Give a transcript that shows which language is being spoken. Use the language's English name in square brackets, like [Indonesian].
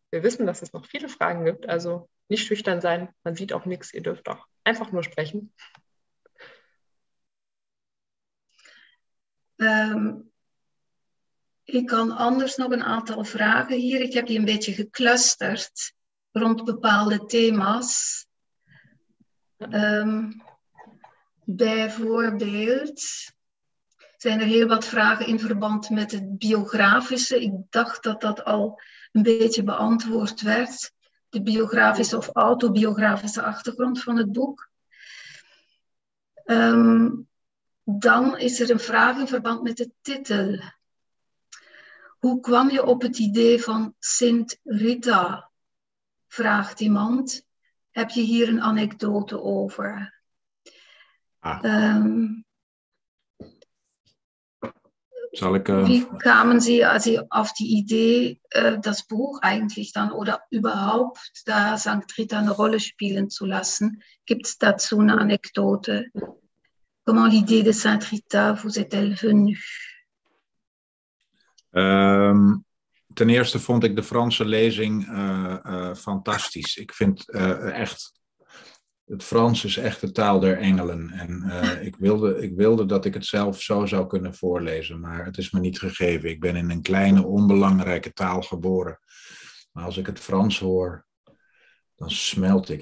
[German] Wir wissen, dass es noch viele Fragen gibt, also nicht schüchtern sein, man sieht auch nichts, ihr dürft auch einfach nur sprechen. Ich kann anders noch ein [Dutch] aantal [German] Fragen hier, ich habe die ein bisschen geclustert rund [Dutch] bepaalde Themas. Bijvoorbeeld zijn er heel wat vragen in verband met het biografische. Ik dacht dat dat al een beetje beantwoord werd, de biografische of autobiografische achtergrond van het boek. Dan is er een vraag in verband met de titel. Hoe kwam je op het idee van Sint Rita? Vraagt iemand. Heb je hier een anekdote over? Ah. Zal ik, [German] Wie kamen Sie also auf die Idee, das Buch eigentlich dann oder überhaupt da St. Rita eine Rolle spielen zu lassen? Gibt es dazu eine Anekdote? [French] Comment l'idée de St. Rita vous est-elle venue? [Dutch] Ten eerste vond ik de Franse lezing fantastisch. Ik vind echt, het Frans is echt de taal der engelen. En ik wilde dat ik het zelf zo zou kunnen voorlezen, maar het is me niet gegeven. Ik ben in een kleine, onbelangrijke taal geboren. Maar als ik het Frans hoor, dan smelt ik.